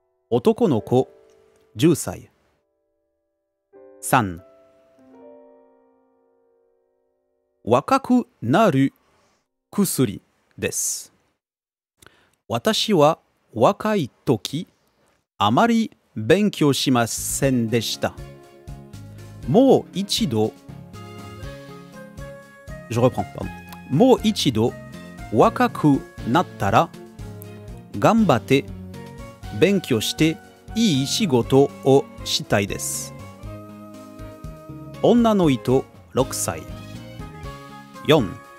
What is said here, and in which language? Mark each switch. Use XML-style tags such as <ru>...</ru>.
<ja>男の子、10歳。3. 若くなる薬です。私は若い時、あまり勉強しませんでした。もう一度、</ja> <fr>Je reprends, pardon.</fr> <ja>もう一度、若くなったら、頑張って勉強していい仕事をしたいです。女の人、6歳。4.</ja>